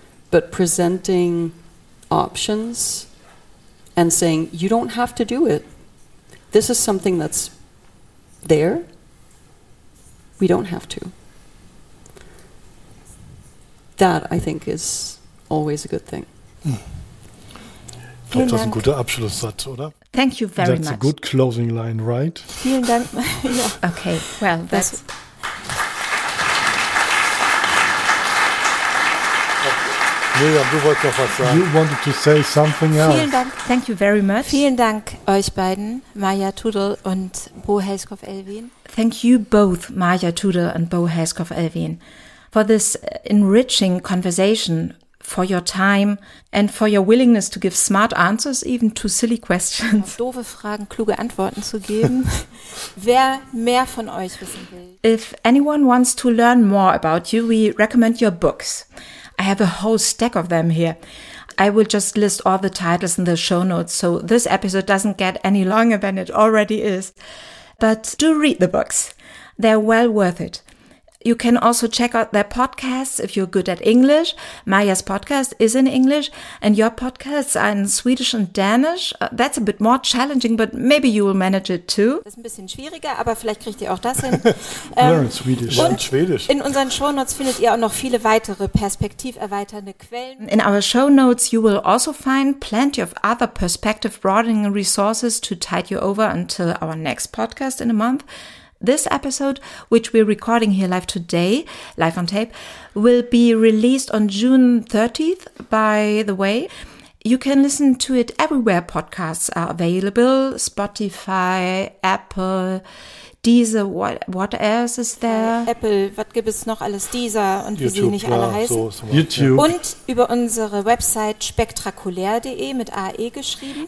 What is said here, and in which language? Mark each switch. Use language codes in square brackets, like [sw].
[en] But presenting options and saying, you don't have to do it. This is something that's there. We don't have to. That, I think, is always a good thing. Mm. [de] Ich glaube, das ist ein guter Abschlusssatz, oder? [en] Thank you very much. That's a good closing line, right? [de] Vielen Dank. [en] Okay, well, that's... [de] Miriam, du wolltest noch was sagen. [en] You wanted to say something else. [de] Vielen Dank. [en] Thank you very much. [de] Vielen Dank euch beiden, Maja Tudel und Bo Helskov-Elwin. [en] Thank you both, Maja Tudel and Bo Helskov-Elwin, for this enriching conversation, for your time and for your willingness to give smart answers, even to silly questions. [de] Auf doofe Fragen kluge Antworten zu geben. Wer mehr von euch wissen will. [en] If anyone wants to learn more about you, we recommend your books. I have a whole stack of them here. I will just list all the titles in the show notes, so this episode doesn't get any longer than it already is. But do read the books. They're well worth it. You can also check out their podcasts if you're good at English. Maya's podcast is in English, and your podcasts are in Swedish and Danish. That's a bit more challenging, but maybe you will manage it too. [de] Das ist ein bisschen schwieriger, aber vielleicht kriegt ihr auch das hin. Schwedisch. In unseren Shownotes findet ihr auch noch viele weitere perspektiverweiternde Quellen. [en] In our show notes, you will also find plenty of other perspective broadening resources to tide you over until our next podcast in a month. This episode, which we're recording here live today, live on tape, will be released on June 30th, by the way. You can listen to it everywhere podcasts are available, Spotify, Apple, Deezer, what else is there? [de] Apple, was gibt es noch alles? Deezer und YouTube, wie sie nicht alle heißen. So YouTube. Und über unsere Website spektakulär.de mit AE geschrieben.